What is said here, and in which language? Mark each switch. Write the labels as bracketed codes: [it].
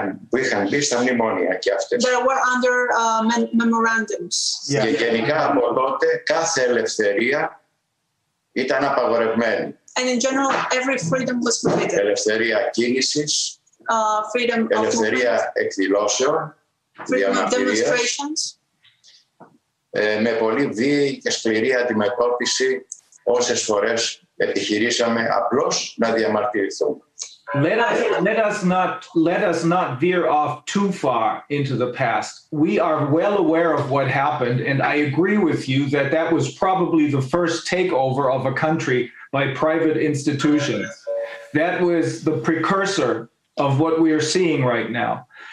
[el] είχαν μπει στα μνημόνια και αυτές. [en] They were under memorandums. Yeah. [el] Και γενικά από τότε κάθε ελευθερία ήταν απαγορευμένη. [en] And in general, every freedom was forbidden. [el] Ελευθερία κίνησης, [en] freedom [el] ελευθερία [en] of [el] εκδηλώσεων, διαμαρτυρίας. Με πολύ βίαιη και σκληρή αντιμετώπιση όσες φορές επιχειρήσαμε απλώς να διαμαρτυρηθούμε. [en] Let us not veer off too far into the past. We are well aware of what happened, and I agree with you that that was probably the first takeover of a country by private institutions. That was the precursor of what we are seeing right now.